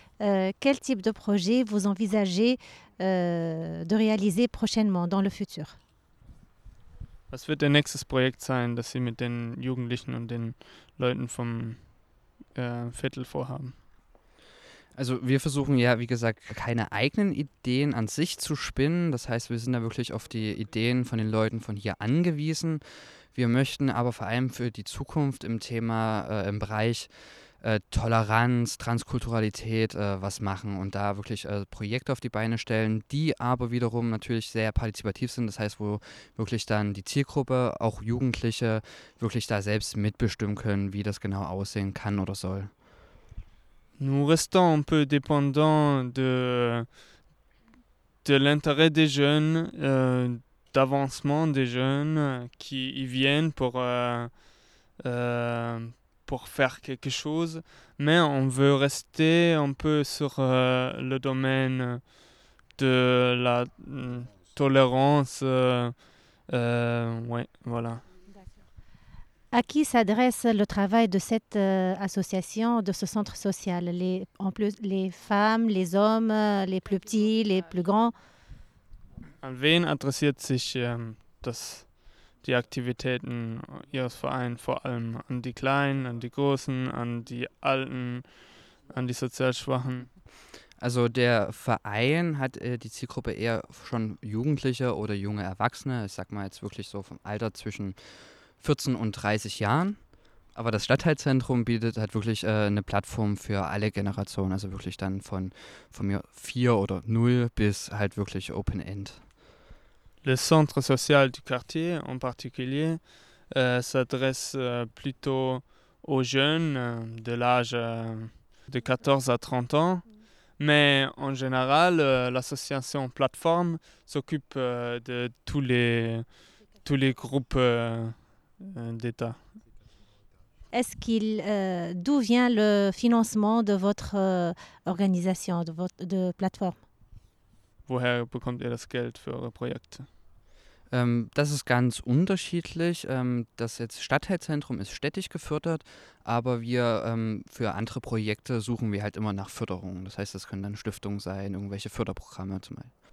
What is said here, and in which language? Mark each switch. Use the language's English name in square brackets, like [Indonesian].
[French] Quel type de projet vous envisagez de réaliser prochainement, dans le futur? [German] Was wird der nächste Projekt sein, das Sie mit den Jugendlichen und den Leuten vom Viertel vorhaben? Also wir versuchen ja, wie gesagt, keine eigenen Ideen an sich zu spinnen. Das heißt, wir sind da wirklich auf die Ideen von den Leuten von hier angewiesen. Wir möchten aber vor allem für die Zukunft im Thema, im Bereich Toleranz, Transkulturalität was machen und da wirklich Projekte auf die Beine stellen, die aber wiederum natürlich sehr partizipativ sind. Das heißt, wo wirklich dann die Zielgruppe, auch Jugendliche, wirklich da selbst mitbestimmen können, wie das genau aussehen kann oder soll. [French] Nous restons un peu dépendants de l'intérêt des jeunes, d'avancement des jeunes qui y viennent pour faire quelque chose, mais on veut rester un peu sur le domaine de la tolérance. Ouais, voilà. À qui s'adresse le travail de cette association, de ce centre social? En plus, les femmes, les hommes, les plus petits, les plus grands? [German] An wen adressiert sich die Aktivitäten Ihres Vereins vor allem? An die Kleinen, an die Großen, an die Alten, an die sozial Schwachen? Also der Verein hat die Zielgruppe eher schon Jugendliche oder junge Erwachsene. Ich sag mal jetzt wirklich so vom Alter zwischen 14 und 30 Jahren, aber das Stadtteilzentrum bietet halt wirklich eine Plattform für alle Generationen, also wirklich dann von mir 4 oder 0 bis halt wirklich Open End. [French] Le centre social du quartier en particulier s'adresse plutôt aux jeunes de l'âge de 14 à 30 ans, mais en général l'association Plateforme s'occupe de tous les groupes d'État. Est-ce qu'il d'où vient le financement de votre organisation, de plateforme? [German] Woher bekommt ihr das Geld für eure Projekte? Das ist ganz unterschiedlich. Das jetzt Stadtteilzentrum ist städtisch gefördert, aber wir für andere Projekte suchen wir halt immer nach Förderung. Das heißt, das können dann Stiftungen sein, irgendwelche Förderprogramme zum Beispiel.